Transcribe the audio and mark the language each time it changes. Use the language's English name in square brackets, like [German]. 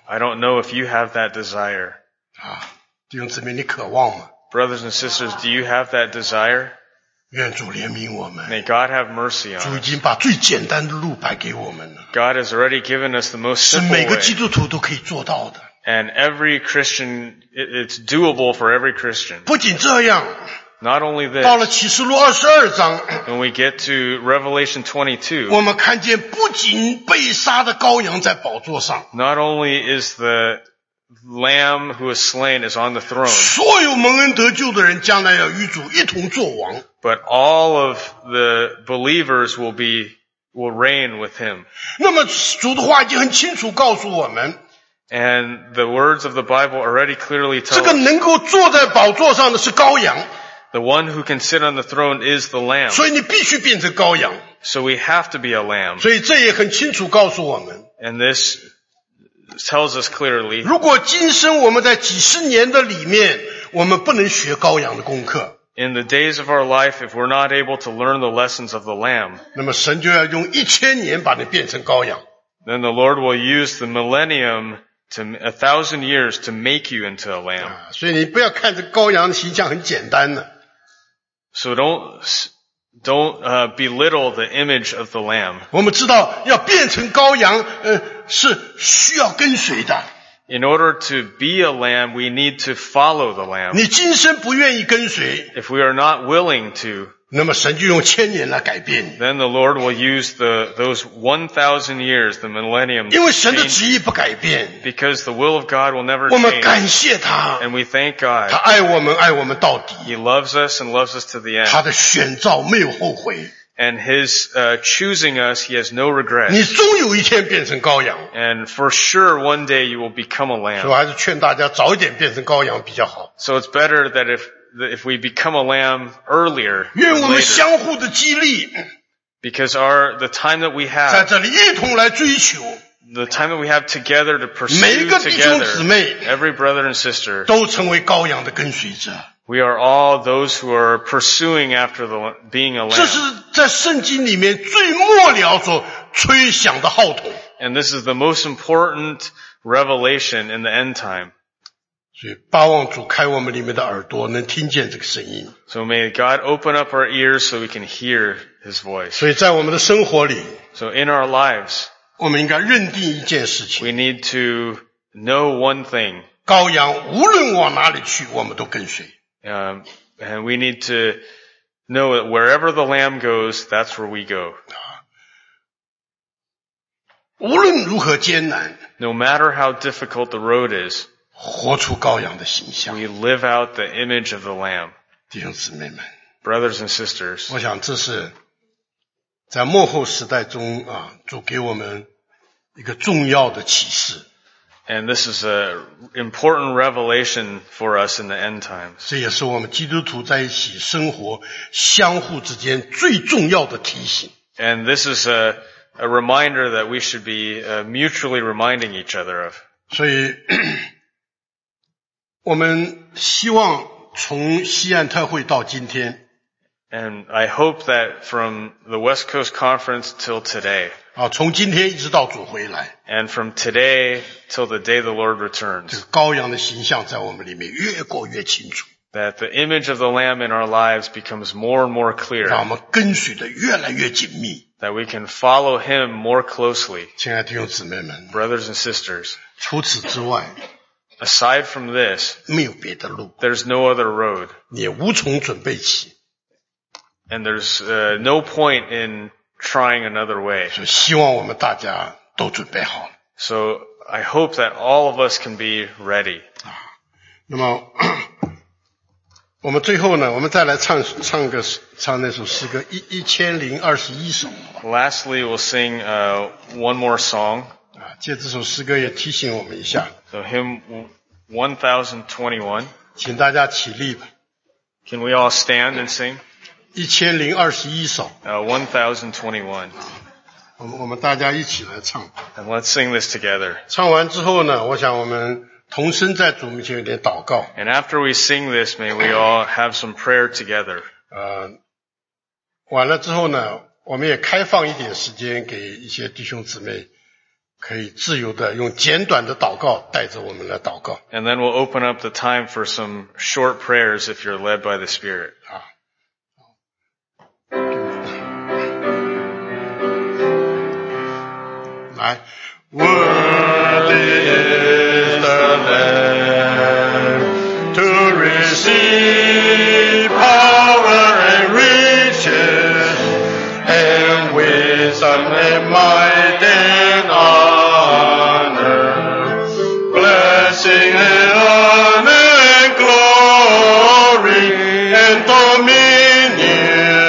[English] I don't know if you have that desire. [Chinese] 啊, 弟兄姊妹,你渴望吗? [English] Brothers and sisters, do you have that desire? [Chinese] 愿主怜悯我们。 [English] May God have mercy on us. [Chinese] 主已经把最简单的路摆给我们了。 [English] God has already given us the most simple way. [Chinese] 是每个基督徒都可以做到的。 [English] And every Christian, it's doable for every Christian. [Chinese] 不仅这样, [English] not only this, [Chinese] 到了启示录22章, [English] when we get to Revelation 22, [Chinese] 我们看见不仅被杀的羔羊在宝座上, [English] not only is the Lamb who is slain is on the throne. [Chinese] 所有蒙恩得救的人将来要与主一同作王。 [English] But all of the believers will reign with him. [Chinese] 那么主的话已经很清楚告诉我们。 [English] And the words of the Bible already clearly tell us. [Chinese] 这个能够坐在宝座上的是羔羊。 [English] The one who can sit on the throne is the lamb. [Chinese] 所以你必须变成羔羊。 [English] So we have to be a lamb. [Chinese] 所以这也很清楚告诉我们。 [English] And this tells us clearly. [Chinese] 如果今生我们在几十年的里面，我们不能学羔羊的功课。 [English] In the days of our life, if we're not able to learn the lessons of the Lamb, [Chinese] 那么神就要用一千年把你变成羔羊。 [English] Then the Lord will use the millennium to a thousand years to make you into a lamb. [Chinese] 所以你不要看这羔羊的形象很简单的。 [English] So don't belittle the image of the Lamb. [Chinese] 我们知道要变成羔羊，是需要跟随的。 [English] In order to be a lamb, we need to follow the lamb. [Chinese] 你今生不愿意跟随。 [English] If we are not willing to, [Chinese] 那么神就用千年来改变你。 [English] Then the Lord will use those 1,000 years, the millennium. [Chinese] 因为神的旨意不改变。 [English] Because the will of God will never change. [Chinese] 我们感谢他。 [English] And we thank God. [Chinese] 他爱我们，爱我们到底。 [English] He loves us and loves us to the end. [Chinese] 他的选召没有后悔。 [English] And his choosing us, he has no regret. [Chinese] 你终有一天变成羔羊。 [English] And for sure, one day you will become a lamb. [Chinese] 所以还是劝大家早一点变成羔羊比较好。 [English] So it's better that if we become a lamb earlier. [Chinese] 愿我们相互的激励。 [English] Because the time that we have. [Chinese] 在这里一同来追求。 [English] The time that we have together to pursue. [Chinese] 每一个弟兄姊妹。 [English] Every brother and sister. [Chinese] 都成为羔羊的跟随者。 [English] We are all those who are pursuing after being a lamb. [Chinese] 这是在圣经里面最末了所吹响的号筒。 [English] And this is the most important revelation in the end time. [Chinese] 所以巴望主开我们里面的耳朵能听见这个声音。 [English] So may God open up our ears so we can hear his voice. [Chinese] 所以在我们的生活里。 [English] So in our lives. [Chinese] 我们应该认定一件事情。 [English] We need to know one thing. [Chinese] 羔羊无论往哪里去我们都跟随。 [English] And we need to know that wherever the lamb goes, that's where we go. [Chinese] 无论如何艰难, [English] no matter how difficult the road is, [Chinese] 活出羔羊的形象, [English] we live out the image of the lamb. [Chinese] 弟兄姊妹们, [English] brothers and sisters, [Chinese] 我想这是在末后时代中啊，主给我们一个重要的启示。 [English] And this is an important revelation for us in the end times. [Chinese] 这也是我们基督徒在一起生活相互之间最重要的提醒。 [English] And this is a reminder that we should be mutually reminding each other of. [Chinese] 所以我们希望从西岸特会到今天。 [English] And I hope that from the West Coast Conference till today, [Chinese] 啊，从今天一直到主回来。 [English] And from today till the day the Lord returns. [Chinese] 这个羔羊的形象在我们里面越过越清楚。 [English] That the image of the Lamb in our lives becomes more and more clear. [Chinese] 让我们跟随的越来越紧密。 [English] That we can follow him more closely. [Chinese] 亲爱的弟兄姊妹们。 [English] Brothers and sisters. [Chinese] 除此之外。 [English] Aside from this. [Chinese] 没有别的路。 [English] There's no other road. [Chinese] 你也无从准备起。 [English] And there's no point in trying another way. [Chinese] 所以希望我们大家都准备好。 [English] So I hope that all of us can be ready. [Chinese] 那么我们最后呢，我们再来唱那首诗歌1021首。 [English] Lastly, we'll sing one more song. [Chinese] 借这首诗歌也提醒我们一下。 [English] So hymn 1021. [Chinese] 请大家起立吧。 [English] Can we all stand and sing? [Chinese] 1021首。 [English] 1021. [Chinese] 我们大家一起来唱。 [English] And let's sing this together. [Chinese] 唱完之后呢，我想我们同声在主面前有点祷告。 [English] And after we sing this, may we all have some prayer together. [Chinese] 完了之后呢，我们也开放一点时间给一些弟兄姊妹可以自由的用简短的祷告带着我们来祷告。 [English] And then we'll open up the time for some short prayers if you're led by the Spirit. [Chinese] 来 [English] Worthy is the Lamb to receive power and riches and wisdom and might and honor, blessing and honor and glory and dominion.